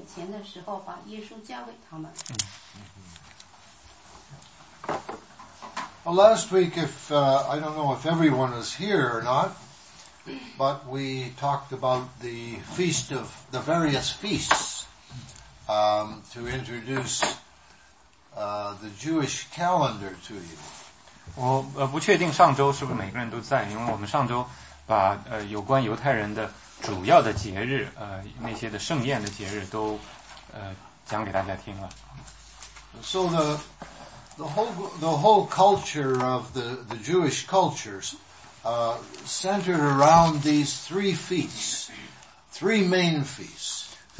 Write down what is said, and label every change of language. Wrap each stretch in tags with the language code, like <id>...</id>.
<zh>他去和祭司长并守殿官商量，怎么可以把耶稣交给他们？他们喜欢，就约定给他银子。他应许了，就找机会，要趁众人不在眼前的时候把耶稣交给他们。</zh> <en>Well, last week, I don't know if everyone is here or not, but we talked about the feast of the various feasts to introduce the Jewish calendar to you.</en> <zh>我不确定上周是不是每个人都在，因为我们上周把有关犹太人的主要的节日，那些的盛宴的节日都讲给大家听了。</zh> <en>So the whole culture of the Jewish cultures centered around these three feasts, three main feasts.</en>